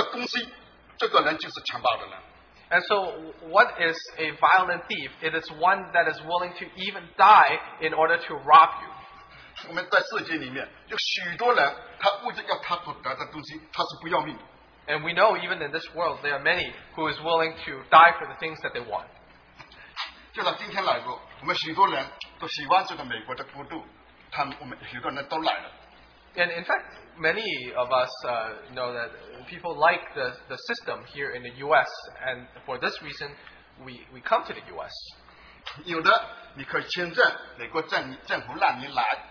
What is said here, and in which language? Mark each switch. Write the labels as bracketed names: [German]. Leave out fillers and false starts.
[Chinese] 也就是说，强暴的人就是他不要命要去得到的东西，这个人就是强暴的人。 [English] And so, what is a violent thief? It is one that is willing to even die in order to rob you. [Chinese] 我们在世界里面有许多人，他为了要他所得的东西，他是不要命的。And [English] we know even in this world there are many who is willing to die for the things that they want. [Chinese] 就像今天来说，我们许多人都喜欢这个美国的国度，他们我们许多人都来了。And [English] in fact, many of us know that people like the system here in the U.S. and for this reason, we come to the U.S. [Chinese] 有的你可以签证，美国政府让你来。